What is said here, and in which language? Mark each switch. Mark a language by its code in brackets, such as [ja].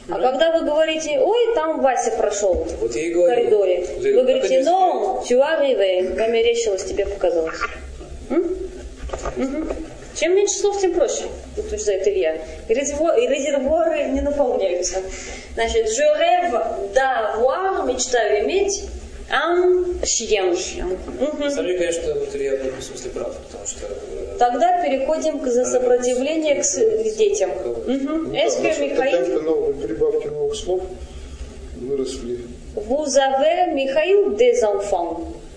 [ru] А когда вы говорите «Ой, там Вася прошел в коридоре», вы говорите [fr] «No, tu as rêvé», [ru] померещилось, тебе показалось. Угу. Чем меньше слов, тем проще, утверждает Илья. Резервуары не наполняются. Значит, [fr] je rêve d'avoir, [ru] мечтаю иметь, [fr] un chien. [ru] Сами, конечно, вот Илья в этом смысле прав, потому что... Тогда переходим к сопротивлению к детям. Угу. Ну, да, Михаил... Это новые прибавки новых слов выросли. [fr] Vous avez, Михаил, des enfants.